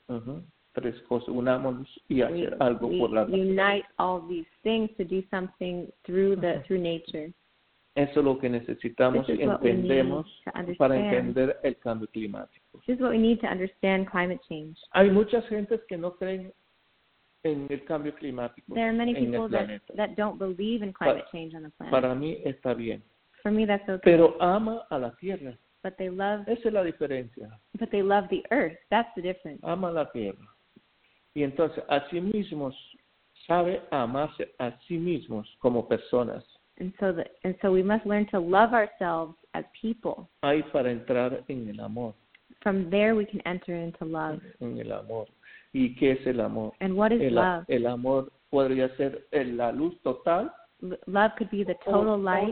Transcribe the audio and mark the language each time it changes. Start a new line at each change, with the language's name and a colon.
Spanish: Tres cosas, unamos y hacer algo por la naturaleza.
English: Unite all these things to do something through nature.
Spanish: Eso es lo que necesitamos y entendemos para entender el cambio climático.
English: This is what we need to understand climate change.
Spanish: Hay muchas gentes que no creen en el cambio climático.
English: There are many people that don't believe in climate change on the planet.
Spanish: Para mí está bien.
English: For me that's okay.
Spanish: Pero ama a la tierra.
English: But they love.
Spanish: Esa es la diferencia.
English: But they love the earth. That's the difference.
Spanish: Ama la tierra. Y entonces a sí mismos sabe amarse a sí mismos como personas.
English: And so we must learn to love ourselves as people.
Spanish: Ahí para entrar en el amor.
English: From there we can enter into love.
Spanish: En el amor. ¿Y qué es el amor?
English: And what is love?
Spanish: El amor podría ser la luz total.
English: Love could be the total light.